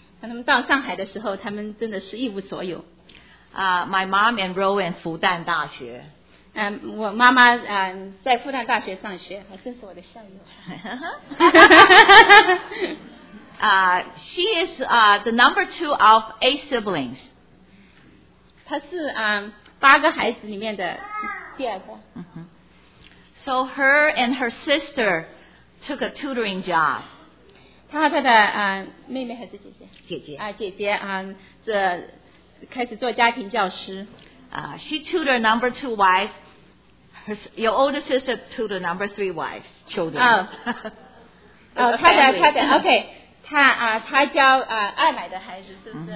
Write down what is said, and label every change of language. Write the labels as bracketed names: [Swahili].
[Chinese] 当他们到上海的时候，他们真的是一无所有。 [English] My mom enrolled in 复旦大学。 [Chinese] 我妈妈在复旦大学上学，还真是我的校友。 [English] She is the number two of eight siblings. [Chinese] 她是八个孩子里面的第二个。 [English] So her and her sister took a tutoring job. [Chinese] 她和她的妹妹还是姐姐？姐姐。姐姐这开始做家庭教师。 [English] She tutored number two wife. Your older sister tutored number three wife's children. Okay. [Chinese] 她教爱买的孩子是不是？